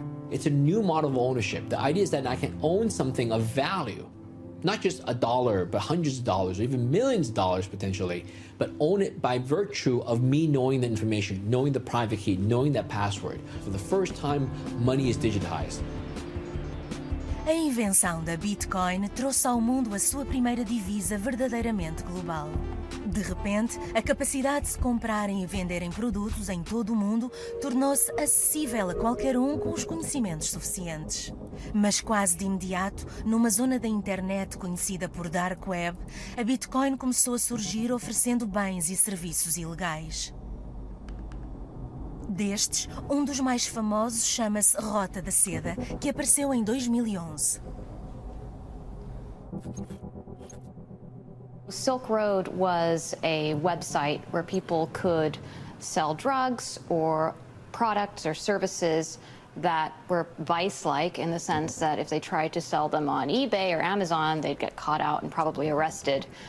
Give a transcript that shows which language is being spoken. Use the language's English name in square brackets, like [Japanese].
[English] It's a new model of ownership. The idea is that I can own something of value, not just a dollar, but hundreds of dollars, or even millions of dollars potentially, but own it by virtue of me knowing the information, knowing the private key, knowing that password. For the first time, money is digitized. [Portuguese] A invenção da Bitcoin trouxe ao mundo a sua primeira divisa verdadeiramente global. De repente, a capacidade de se comprarem e venderem produtos em todo o mundo tornou-se acessível a qualquer um com os conhecimentos suficientes. Mas quase de imediato, numa zona da internet conhecida por Dark Web, a Bitcoin começou a surgir oferecendo bens e serviços ilegais. Destes, um dos mais famosos chama-se Rota da Seda, que apareceu em 2011. [English] Silk Road was a website where people could sell drugs or products or services that were vice-like in the sense that if they tried to sell them on eBay or Amazon, they'd get caught out and probably arrested.